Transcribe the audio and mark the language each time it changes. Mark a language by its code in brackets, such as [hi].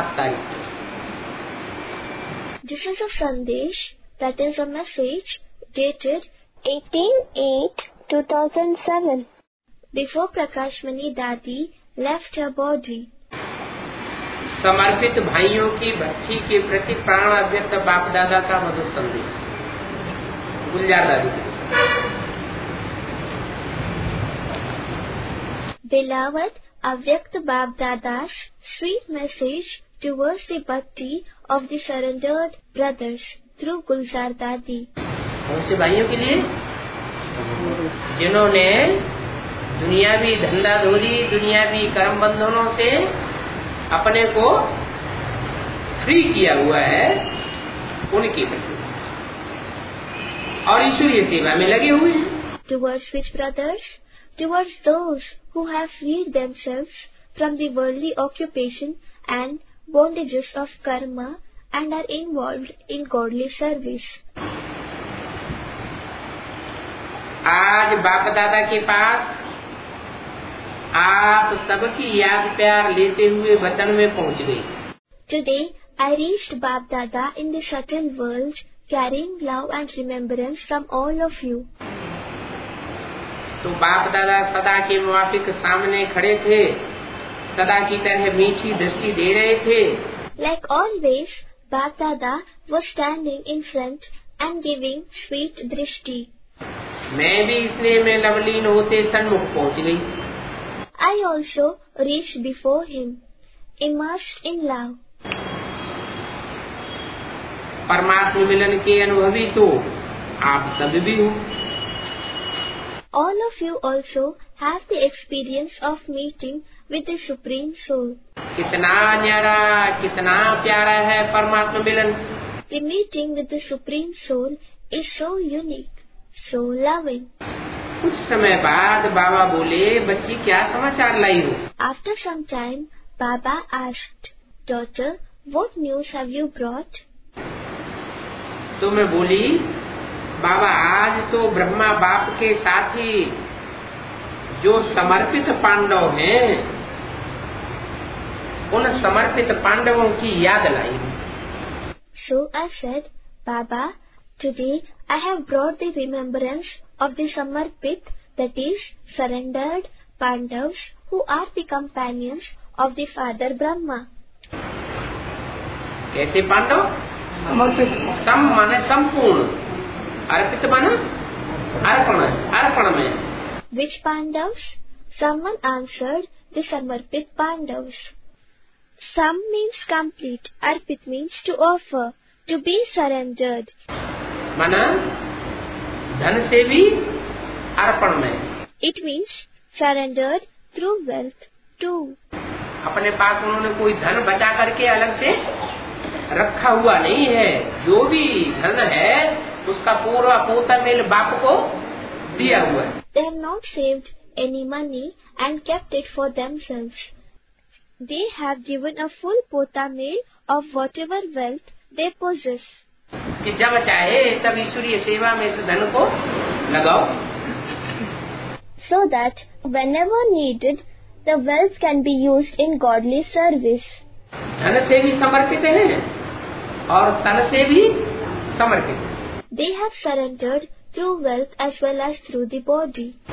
[en] This is a संदेश that is a message dated 18/8/2007 before Prakashmani Dadi left her body. [hi] समर्पित भाइयों की बच्ची के प्रति प्राण अभ्यक्त बाप दादा का मधुर संदेश गुलजार दादी। [en] Beloved अव्यक्त Bap Dada's sweet message towards the bhakti of the surrendered brothers through Gulzar Dadi. [hi] कौन से भाइयों के लिए जिन्होंने दुनियावी धंधा धोरी दुनियावी कर्म बंधनों से अपने को फ्री किया हुआ है उनकी प्रति और ईश्वरीय सेवा में लगे हुए हैं। [en] Towards which brothers? Towards those who have freed themselves from the worldly occupation and bondages of karma and are involved in godly service. [hi] आज बाप दादा के पास आप सबकी याद प्यार लेते हुए वतन में पहुंच गई। [en] Today I reached Bap Dada in the subtle world carrying love and remembrance from all of you. [hi] तो बाप दादा सदा के मुआफिक सामने खड़े थे, सदा की तरह मीठी दृष्टि दे रहे थे। [en] Like always, Bap Dada was standing in front and giving sweet drishti. [hi] मैं भी इसलिए मैं लवलीन होते सन्मुख पहुँच गई। [en] I also reached before him, immersed in love. [hi] परमात्म मिलन के अनुभवी तो आप सभी भी हो। [en] All of you also have the experience of meeting with the Supreme Soul. [hi] कितना न्यारा कितना प्यारा है परमात्म मिलन। [en] The meeting with the Supreme Soul is so unique, so loving. [hi] कुछ समय बाद बाबा बोले बच्ची क्या समाचार लाई हो। [en] After some time, Baba asked, daughter, what news have you brought? [hi] तो मैं बोली बाबा आज तो ब्रह्मा बाप के साथ ही जो समर्पित पांडव हैं उन समर्पित पांडवों की याद लाई। [en] So I said, Baba, today I have brought the remembrance of the samarpit, that is, surrendered Pandavas who are the companions of the father Brahma. [hi] कैसे पांडव? समर्पित। सम माने संपूर्ण, अर्पित माने अर्पण, अर्पण में। [en] Which Pandavas? Someone answered, the samarpit Pandavas. Sam means complete, arpit means to offer, to be surrendered. [hi] माने धन से भी अर्पण में। [en] It means surrendered through wealth too. [hi] अपने पास उन्होंने कोई धन बचा करके अलग से रखा हुआ नहीं है, जो भी धन है उसका पूरा पोता मेल बाप को दिया हुआ है। [en] They have not saved any money and kept it for themselves. They have given a full pota mail of whatever wealth they possess. [hi] कि जब चाहे तब ईश्वरीय सेवा में इस धन को लगाओ। [en] So that whenever needed, the wealth can be used in godly service. [hi] धन से भी समर्पित है और तन से भी समर्पित। [en] They have surrendered through wealth as well as through the body.